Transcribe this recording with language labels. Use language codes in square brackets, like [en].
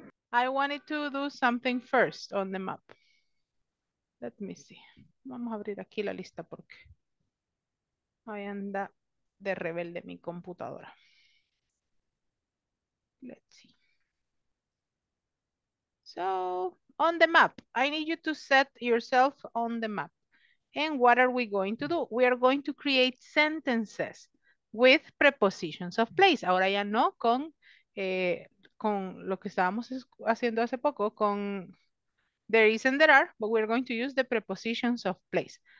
[en] I wanted to do something first on the map. Let me see. [es] Vamos a abrir aquí la lista porque ahí anda de rebelde mi computadora. [en] Let's see. So, on the map, I need you to set yourself on the map. And what are we going to do? We are going to create sentences with prepositions of place. [es] Ahora ya no con, con lo que estábamos haciendo hace poco, con [en] there is and there are, but we're going to use the prepositions of place.